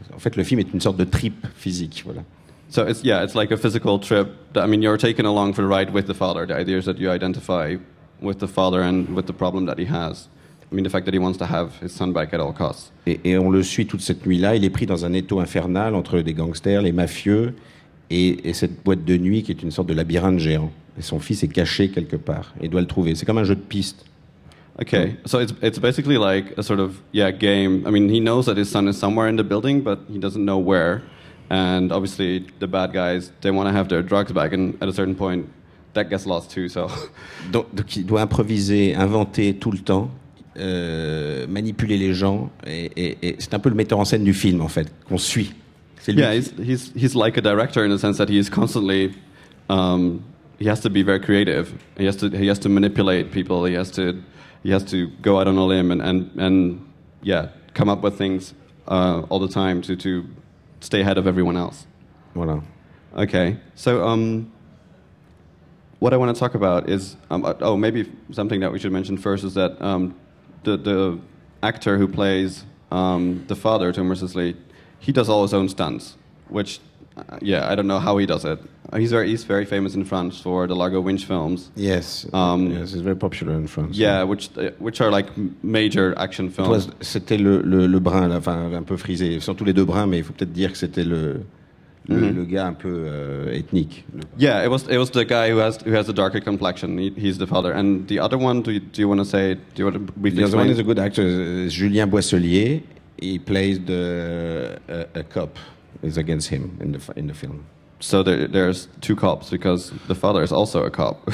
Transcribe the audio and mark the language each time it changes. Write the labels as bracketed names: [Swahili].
[French] En fait, le film est une sorte de trip physique, voilà. [English] So it's like a physical trip. You're taken along for the ride with the father. The idea is that you identify with the father and with the problem that he has. I mean, the fact that he wants to have his son back at all costs. [French] Et on le suit toute cette nuit-là. Il est pris dans un étau infernal entre des gangsters, les mafieux, et cette boîte de nuit qui est une sorte de labyrinthe géant. Et son fils est caché quelque part. Il doit le trouver. C'est comme un jeu de piste. Okay, so it's basically like a sort of game. I mean, he knows that his son is somewhere in the building, but he doesn't know where. And obviously, the bad guys, they want to have their drugs back, and at a certain point, that gets lost too, so... Donc, il doit improviser, inventer tout le temps, manipuler les gens, et c'est un peu le metteur en scène du film, en fait, qu'on suit. C'est lui. [English] Yeah, he's like a director in the sense that he is constantly... he has to be very creative. He has to manipulate people. He has to go out on a limb and come up with things all the time to stay ahead of everyone else. [French] Voilà. [English] Okay. So, what I want to talk about is, maybe something that we should mention first is that the actor who plays the father, Tomer Sisley, he does all his own stunts, which, I don't know how he does it. He's very famous in France for the Largo Winch films. Yes. Yes, he's very popular in France. Yeah, which are like major action films. [French] C'était le brun, enfin un peu frisé. Ils sont tous les deux bruns, mais il faut peut-être dire que c'était le gars un peu ethnique. [English] Yeah, it was the guy who has the darker complexion. He's the father. And the other one, do you want to say? Do you want to briefly explain? The other one is a good actor, Julien Boisselier. He plays a cop. Is against him in the film. So there's two cops because the father is also a cop.